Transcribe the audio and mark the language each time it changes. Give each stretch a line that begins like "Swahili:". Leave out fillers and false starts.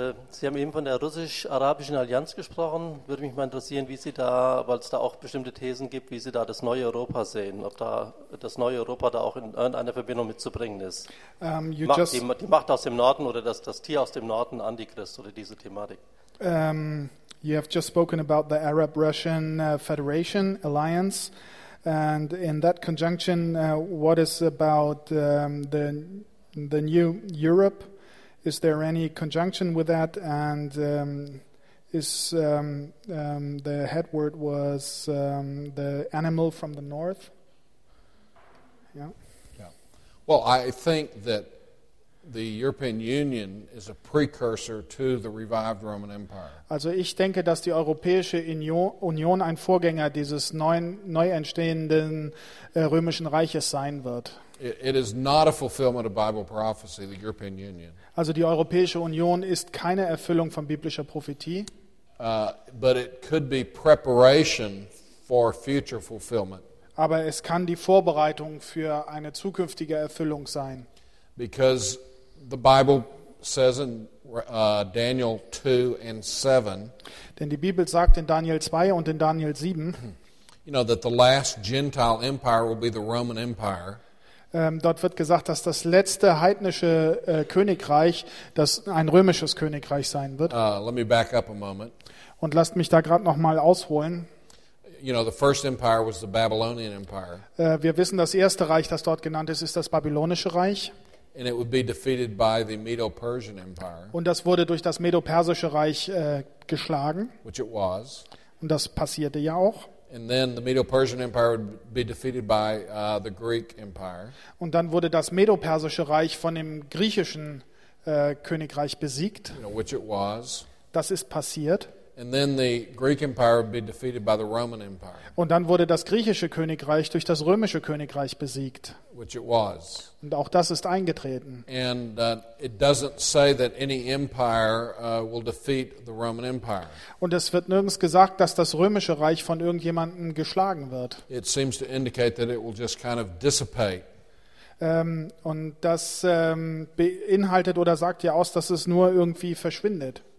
German: Sie haben eben von der russisch-arabischen Allianz gesprochen. Würde mich mal interessieren, wie Sie da, weil es da auch bestimmte Thesen gibt, wie Sie da das neue Europa sehen, ob da das neue Europa da auch in irgendeiner Verbindung mitzubringen ist. Die Macht aus dem Norden oder das Tier aus dem Norden, Antichrist oder diese Thematik.
English: You have just spoken about the Arab-Russian Federation Alliance. And in that conjunction, what is about the new Europe? Is there any conjunction with that? And the head word was the animal from the north? Yeah. Well, I think that the European Union is a precursor to the revived Roman Empire.
German: Also, ich denke, dass die Europäische Union ein Vorgänger dieses neu entstehenden römischen Reiches sein wird.
English: It is not a fulfillment of Bible prophecy, the European Union.
German: Also die Europäische Union ist keine Erfüllung von biblischer Prophetie.
English: But it could be preparation for future fulfillment.
German: Aber es kann die Vorbereitung für eine zukünftige Erfüllung sein.
English: Because the Bible says in Daniel 2 and 7.
German: Denn die Bibel sagt in Daniel 2 und in Daniel 7.
English: You know that the last Gentile empire will be the Roman Empire.
German: Dort wird gesagt, dass das letzte heidnische Königreich, das ein römisches Königreich sein wird.
English: Let me back up a moment.
German: Und lasst mich da gerade noch mal ausholen.
English: You know, the first empire was the Babylonian Empire.
German: Wir wissen, das erste Reich, das dort genannt ist, ist das Babylonische Reich.
English: And it would be defeated by the Medo-Persian Empire.
German: Und das wurde durch das Medo-Persische Reich geschlagen.
English: Which it was.
German: Und das passierte ja auch.
English: And then the Medo-Persian Empire would be defeated by the Greek Empire.
German: Und dann wurde das Medo-Persische Reich von dem griechischen Königreich besiegt.
English: You know, which it was.
German: Das ist passiert.
English: And then the Greek Empire would be defeated by the Roman Empire.
German: Und dann wurde das griechische Königreich durch das römische Königreich besiegt.
English: Which it was.
German: Und auch das ist eingetreten.
English: And it doesn't say that any empire will defeat the Roman Empire.
German: Und es wird nirgends gesagt, dass das römische Reich von irgendjemandem geschlagen wird.
English: It seems to indicate that it will just kind of dissipate.
German: Und das beinhaltet oder sagt ja aus, dass es nur irgendwie verschwindet.